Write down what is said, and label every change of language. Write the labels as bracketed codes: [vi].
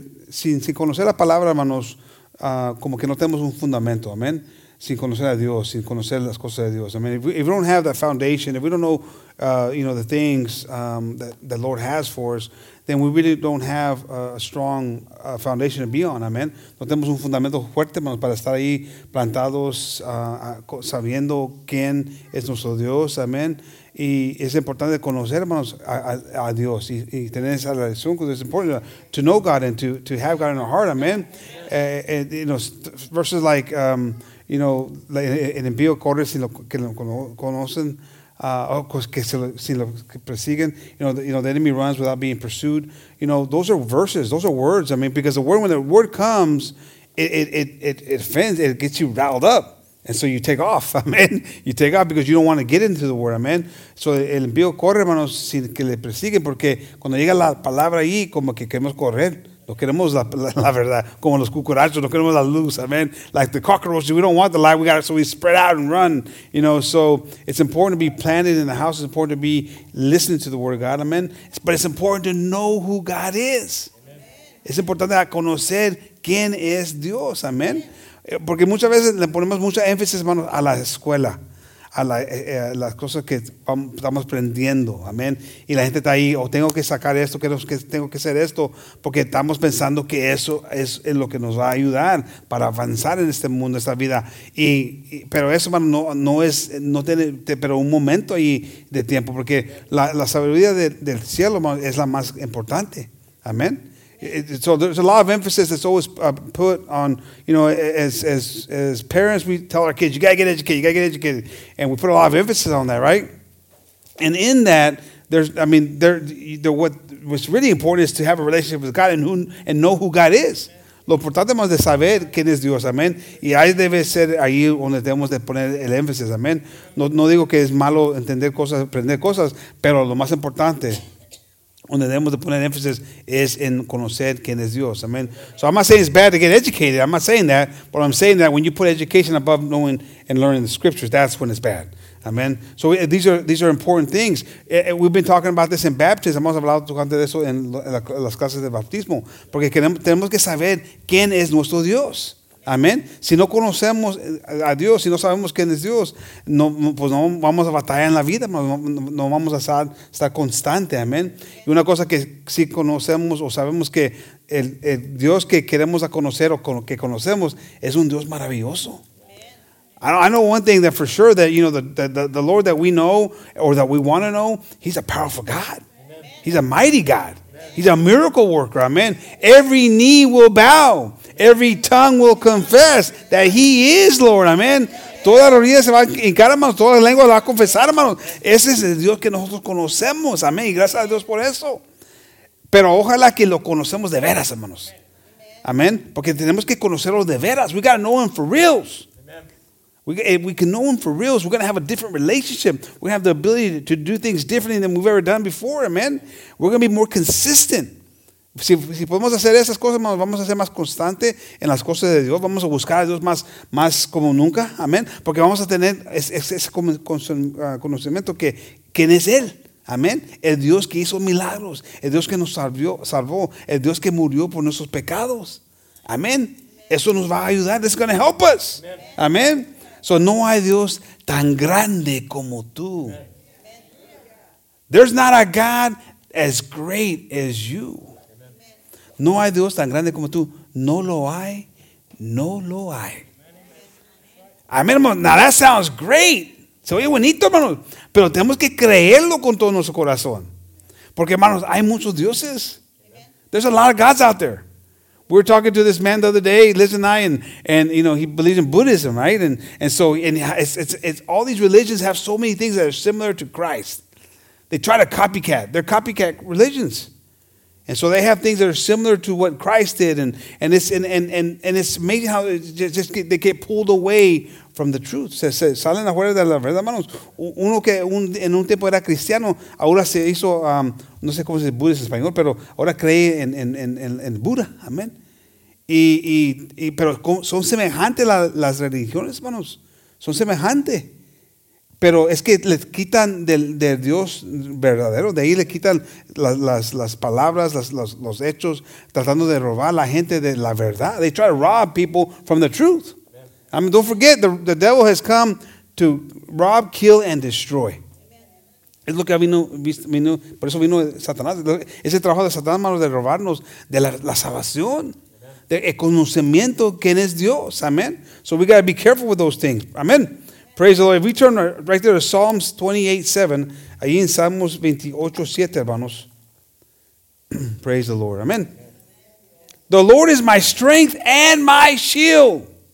[es] Sin conocer la palabra, hermanos, como que no tenemos un fundamento, amén. Sin conocer a Dios, sin conocer las cosas de Dios, amén. [en] If we don't have that foundation, if we don't know, you know, the things that the Lord has for us, then we really don't have a strong foundation to be on, amén. [es] No tenemos un fundamento fuerte, hermanos, para estar ahí plantados, sabiendo quién es nuestro Dios, amén. Y es importante conocer, hermanos, a Dios y tener esa relación con Dios. [en] It's important to know God and to have God in our heart. Amen. And, you know, [es] verses like, you know, en envío corre si lo que lo conocen, que persiguen. [en] You know, the enemy runs without being pursued. You know, those are verses. Those are words. I mean, because when the word comes, it offends. It gets you riled up. And so you take off, amen. You take off because you don't want to get into the word, amen. [es] So el envío corre, hermanos, sin que le persiguen, porque cuando llega la palabra ahí, como que queremos correr. No queremos la verdad, como los cucarachos, no queremos la luz, amen. [en] Like the cockroaches, we don't want the light, so we spread out and run, you know. So it's important to be planted in the house, it's important to be listening to the word of God, amen. But it's important to know who God is. [es] Amen. Es importante conocer quién es Dios, amen. Porque muchas veces le ponemos mucha énfasis, hermanos, a la escuela, a las cosas que estamos aprendiendo, amén. Y la gente está ahí, tengo que sacar esto, tengo que hacer esto, porque estamos pensando que eso es lo que nos va a ayudar para avanzar en este mundo, esta vida. Pero eso, hermano, no tiene un momento ahí de tiempo, porque la sabiduría del cielo, hermano, es la más importante, amén. [en] So there's a lot of emphasis that's always put on, you know, as parents, we tell our kids, you got to get educated. And we put a lot of emphasis on that, right? And in that, what's really important is to have a relationship with God and know who God is. [es] Lo importante más de saber quién es Dios, amén. Y ahí debe ser ahí donde debemos de poner el énfasis, amén. No digo que es malo entender cosas, aprender cosas, pero lo más importante donde debemos de poner énfasis es en conocer quién es Dios. [en] Amen. So I'm not saying it's bad to get educated. I'm not saying that. But I'm saying that when you put education above knowing and learning the scriptures, that's when it's bad. Amen. So these are important things. We've been talking about this in baptism. [es] Hemos hablado tocante de eso en las clases de bautismo. Porque tenemos que saber quién es nuestro Dios. Amén. Si no conocemos a Dios, si no sabemos quién es Dios, no vamos a batallar en la vida, no vamos a estar constante. Amén. Y una cosa que sí conocemos o sabemos que el Dios que queremos conocer o que conocemos es un Dios maravilloso. [en] I know one thing that for sure that, you know, the Lord that we know or that we want to know, he's a powerful God. Amen. He's a mighty God. Amen. He's a miracle worker. Amen. Every knee will bow. Every tongue will confess that He is Lord. [es] Amen. Toda rodilla se va a hincar, hermanos. Toda lengua la va a confesar, hermanos. Ese es el Dios que nosotros conocemos. Amén. Y gracias a Dios por eso. Pero ojalá que lo conocemos de veras, hermanos. Amén. Porque tenemos que conocerlo de veras. [en] We got to know Him for reals. If we can know Him for reals, we're going to have a different relationship. We're going to have the ability to do things differently than we've ever done before. Amén. We're going to be more consistent. [es] Si podemos hacer esas cosas, vamos a ser más constante en las cosas de Dios. Vamos a buscar a Dios más como nunca. Amén. Porque vamos a tener ese conocimiento que quién es Él. Amén. El Dios que hizo milagros. El Dios que nos salvó. El Dios que murió por nuestros pecados. Amén. Eso nos va a ayudar. [en] It's going to help us. [es] Amén. So no hay Dios tan grande como tú. [en] There's not a God as great as you. [es] No hay Dios tan grande como tú. No lo hay. No lo hay. Amén, hermano. [en] Now that sounds great. [es] Se oye bonito, hermano. Pero tenemos que creerlo con todo nuestro corazón. Porque, hermanos, hay muchos dioses. [en] There's a lot of gods out there. We were talking to this man the other day, Liz and I, and you know, he believes in Buddhism, right? And so all these religions have so many things that are similar to Christ. They try to copycat. They're copycat religions. And so they have things that are similar to what Christ did, and it's amazing how they get pulled away from the truth. [es] Se salen afuera de la verdad, hermanos. Uno que en un tiempo era cristiano, ahora se hizo, no sé cómo se dice Buda en español, pero ahora cree en Buda, amén. Y pero son semejantes las religiones, hermanos. Son semejantes. Pero es que le quitan del Dios verdadero, de ahí le quitan las palabras, los hechos, tratando de robar a la gente de la verdad. [en] They try to rob people from the truth. I mean, don't forget, the devil has come to rob, kill, and destroy. [es] Es lo que vino, por eso vino Satanás. Ese trabajo de Satanás, hermanos, de robarnos de la salvación, del conocimiento quién es Dios. [en] Amen. So we got to be careful with those things. Amen. Praise the Lord. If we turn right there to Psalms 28:7, [es] ahí en Salmos 28:7, hermanos. [en] Praise the Lord. Amen. The Lord is my strength and my shield.